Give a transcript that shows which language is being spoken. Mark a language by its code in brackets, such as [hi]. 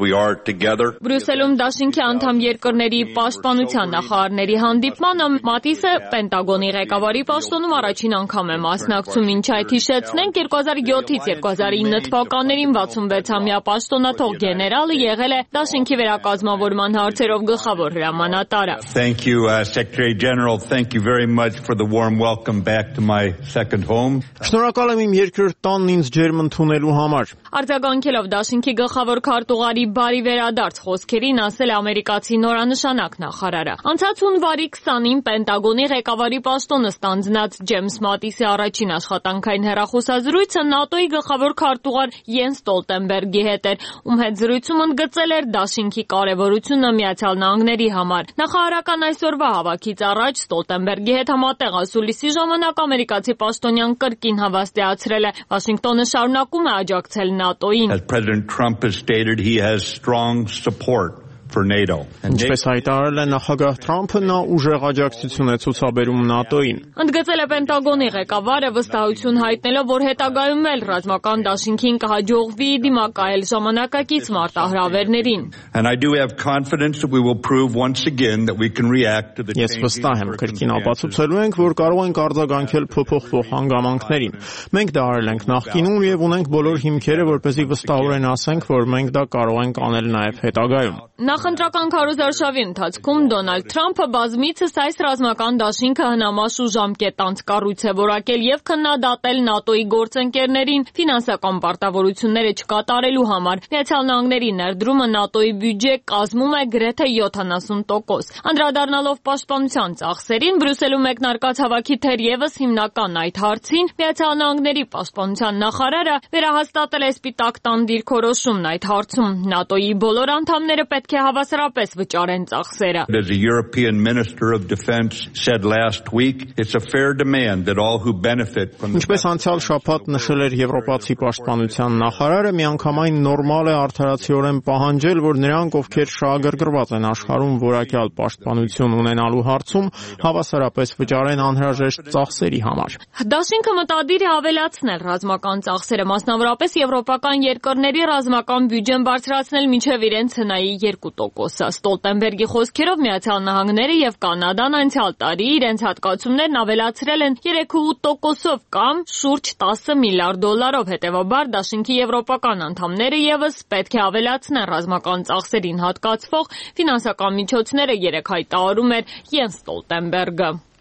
[hy] Բրյուսելում դաշինքի անդամ երկրների պաշտպանության նախարարների հանդիպմանը Մաթիսը Պենտագոնի ղեկավարի պաշտոնում առաջին անգամ է մասնակցում, ինչ այդ հիշեցնենք 2007-2009 թվականներին 66-ամյա պաշտոնաթող գեներալը եղել է դաշինքի վերակազմավորման հարցերով գլխավոր հրամանատարը։ [en] Thank you, Secretary General. Thank you very much for the warm welcome back to my second home. [hy] Շնորհակալ եմ իմ երկրորդ տանն ինձ ջերմ ընդունելու համար։ Արձագանքելով դաշինքի գլխավոր քարտուղարի բարի վերադարձ խոսքերին, ասել է ամերիկացի նորանշանակ նախարարը։ Անցած հունվարի 20-ին Պենտագոնի ղեկավարի պաշտոնը ստանձնած Ջեյմս Մաթիսի առաջին աշխատանքային հեռախոսազրույցը ՆԱՏՕ-ի գլխավոր քարտուղար Յենս Ստոլտենբերգի հետ էր, ում հետ զրույցում ընդգծել էր դաշինքի կարևորությունը Միացյալ Նահանգների համար։ Նախարարական այսօրվա հավաքից առաջ Ստոլտենբերգի հետ համատեղ ասուլիսի ժամանակ ամերիկացի պաշտոնյան կրկին հավաստիացրել է, Վաշինգտոնը շարունակում է աջակցել ՆԱՏՕ-ին։ [en] President Trump has stated he has strong support for NATO. [hy] Ինչպես հայտարարել է նախագահ Թրամփը, նա ուժեղ աջակցություն է ցուցաբերում ՆԱՏՕ-ին։ Ընդգծել է Պենտագոնի ղեկավարը, վստահություն հայտնելով, որ հետագայում էլ ռազմական դաշինքին կհաջողվի դիմակայել ժամանակակից մարտահրավերներին։ [en] And I do have confidence that we will prove once again that we can react to the [hy] Yes, վստահ եմ, քրկին ապացուցելու ենք, որ կարող ենք արձագանքել փոփոխվող հանգամանքներին։ Մենք դա արել ենք նախկինում եւ ունենք բոլոր հիմքերը, որպեսզի վստահորեն ասենք, որ մենք դա կարող ենք անել նաեւ հետագայում։ Նախընտրական քարոզարշավի ընթացքում Դոնալդ Թրամփը բազմիցս այս ռազմական դաշինքը հնամաշ ու ժամկետ անց կառույց է որակել եւ քննադատել ՆԱՏՕ-ի գործընկերներին ֆինանսական պարտավորությունները չկատարելու համար։ Միացյալ Նահանգների ներդրումը ՆԱՏՕ-ի բյուջե կազմում է գրեթե 70%։ Անդրադառնալով պաշտպանության ծախսերին, Բրյուսելում մեկնարկած հավաքի թերևս հիմնական այդ հարցին, Միացյալ Նահանգների պաշտպանության նախարարը վերահաստատել է Սպիտակ տան դիրքորոշումն այդ հարցում։ ՆԱՏՕ-ի բոլոր անդամները պետք է հավասարապես վճարեն ծախսերը։ [en] The European Minister of Defense said last week it's a fair demand that all who benefit from the [hy] Ինչպես անցյալ շաբաթ նշել էր Եվրոպացի պաշտպանության նախարարը, միանգամայն նորմալ է արդարացիորեն պահանջել, որ նրանք, ովքեր շահագրգռված են աշխարհում որակյալ պաշտպանություն ունենալու հարցում, հավասարապես վճարեն անհրաժեշտ ծախսերի համար։ Դաշինքը մտադիր է ավելացնել ռազմական ծախսերը, մասնավորապես եվրոպական երկրների ռազմական բյուջեն բարձրացնել մինչև իրենց հնա 2%-ը։ Ստոլտենբերգի խոսքերով Միացյալ Նահանգները եւ Կանադան անցյալ տարի իրենց հատկացումներն ավելացրել են 3.8%-ով կամ շուրջ $10 միլիարդ, հետեւաբար դաշինքի եվրոպական անդամները եւս պետք է ավելացնեն ռազմական ծախսերին հատկացվող ֆինանսական միջոցները, երեք հայտարարում էր Յենս Ստոլտենբերգը։